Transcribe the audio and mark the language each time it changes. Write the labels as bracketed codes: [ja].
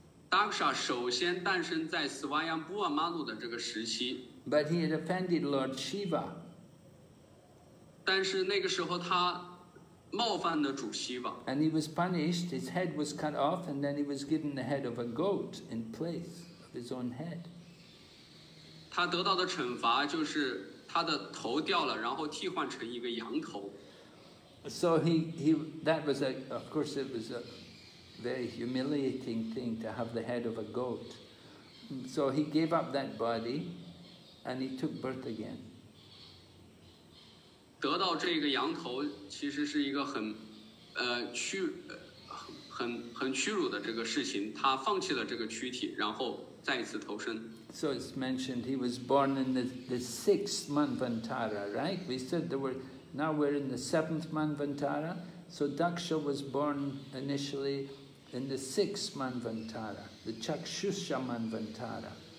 [zh] Daksha 首先诞生在 Swayambhuva Manu的这个时期, [en] but he had offended Lord Shiva. [zh] 但是那个时候他冒犯了主Shiva. [en] And he was punished, his head was cut off, and then he was given the head of a goat in place of his own head. [zh] 他得到的惩罚就是他的头掉了，然后替换成一个羊头。 [en] So he that was a, of course it was a very humiliating thing to have the head of a goat. So he gave up that body and he took birth again. [zh] 得到这个羊头其实是一个很屈辱的这个事情，他放弃了这个躯体，然后再一次投生。 [en] So it's mentioned he was born in the sixth manvantara, right? We said there were, now we're in the seventh manvantara. So Daksha was born initially in the sixth manvantara, the Chakshusha manvantara.